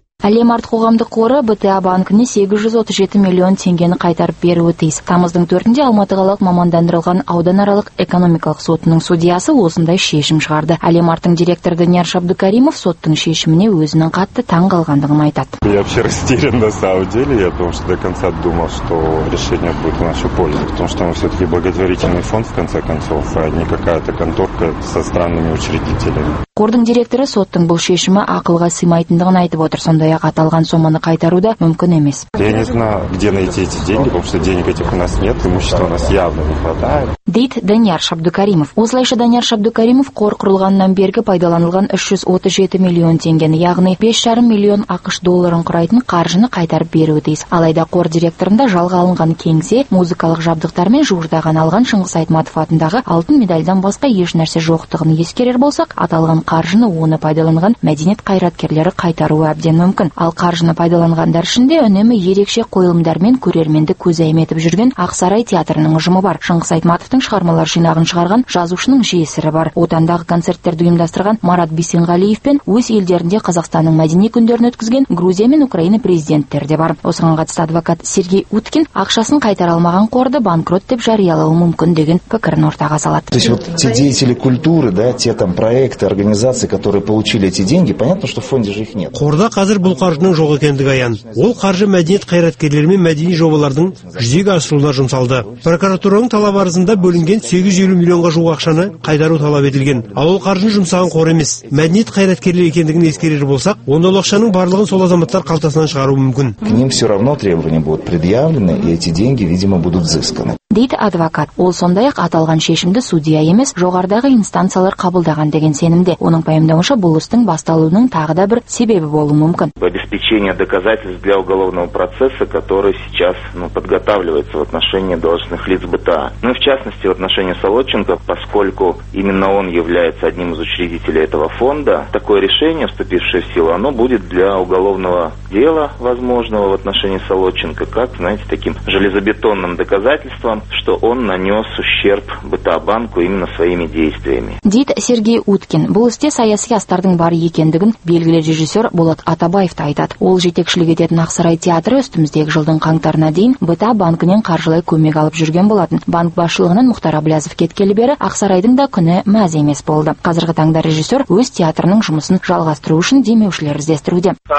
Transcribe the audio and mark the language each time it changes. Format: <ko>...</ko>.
<kk>Әлем арт қоғамдық қоры БТА банкіне 837 миллион теңгені қайтарып беруі тиіс. Тамыздың 4-інде Алматы қалалық мамандандырылған ауданаралық экономикалық сотының судьясы осындай шешім шығарды. Әлем арттың директоры Данияр Шабдукаримов соттың шешіміне өзінің қатты таң қалғандығын айтады.</kk> <ru>Я вообще растерян на самом деле, я потому что до конца думал, что решение будет в нашу пользу, потому что мы все-таки благотворительный фонд в конце концов, а не какая-то конторка со странными учредителями.</ru> <kk>Қордың директоры соттың бұл шешімі ақылға сыймайтындығын айтып отыр. Сондай ақ аталған соманы қайтару да мүмкін емес.</kk> <ru>Я не знаю, где найти эти деньги, потому что денег этих у нас нет, имущества у нас явно не хватает.</ru> <kk>Дейт Данияр Шабдукаримов. Осылайша Данияр Шабдукаримов қор құрылғаннан бергі пайдаланылған 337 миллион теңгені, яғни 5,5 миллион ақш долларын құрайтын қаржыны қайтарып беруі тиіс. Алайда қор директорында жалға алынған кеңсе, музыкалық жабдықтар мен жуырда ғана алған Шыңғыс Айтматов атындағы алтын медальдан басқа еш нәрсе жоқтығын ескерер болсақ, аталған қаржыны оны пайдаланған мәдениет қайраткерлері қайтаруы әбден мүмкін. Ал қаржыны пайдаланғандар ішінде үнемі ерекше қойылымдар мен көрерменді көзайым етіп жүрген Ақсарай театрының ұжымы бар. Шыңғыс Айтматов тың шығармалар жинағын шығарған жазушының жесірі бар. Отандағы концерттерді ұйымдастырған Марат Бисенғалиев пен өз елдерінде Қазақстанның мәдени күндерін өткізген Грузия мен Украина президенттері де бар. Осыған қатысты адвокат Сергей Уткин ақшасын қайтара алмаған қорды банкрот деп жариялауы мүмкін деген пікірін ортаға салады.</kk> <ru>То есть вот те деятели культуры, да, те там проекты, организации, которые получили эти деньги, понятно, что в фонде же их нет.</ru> <kk>Қорда қазір бұл қаржының жоқ екендігі аян. Ол қаржы мәдениет қайраткерлері мен мәдени жобалардың жүзеге асыруына жұмсалды. Прокуратураның талабы арызында бөлінген 850 миллионға жуық ақшаны қайтару талап етілген. Ал ол қаржыны жұмсаған қор емес, мәдениет қайраткерлері екендігін ескерер болсақ, онда ақшаның барлығын сол азаматтар қалтасынан шығару мүмкін.</kk> <ru>К ним все равно требования будут предъявлены, и эти деньги, видимо, будут взысканы.</ru> <kk>Дейді адвокат. Ол сондай-ақ аталған шешімді судья емес, жоғардағы инстанциялар қабылдаған деген сенімде. Оның пайымдауынша бұл істің басталуының тағы да бір себебі болуы мүмкін.</kk> <ru>Обеспечение доказательств для уголовного процесса, который сейчас, подготавливается в отношении должностных лиц БТА. В частности, в отношении Солодченко, поскольку именно он является одним из учредителей этого фонда, такое решение, вступившее в силу, оно будет для уголовного дела возможного в отношении Солодченко, как, таким железобетонным доказательством, что он нанес ущерб БТА-банку именно своими действиями.</ru> <kk>Дейді Сергей Уткин. Бұл істе саяси астардың бар екендігін белгілі режиссер Болат Атабаев айтады. Ол жетекшілік ететін Ақсарай театры үстіміздегі жылдың қаңтарына дейін БТА-банкінен қаржылай көмек алып жүрген болатын. Банк басшылығынан Мұхтар Әблязов кеткелі бері Ақсарайдың да күні мәз емес болды. Қазіргі таңда режиссер өз театрының жұмысын жалғастыру үшін демеушілер іздестіруде.</kk>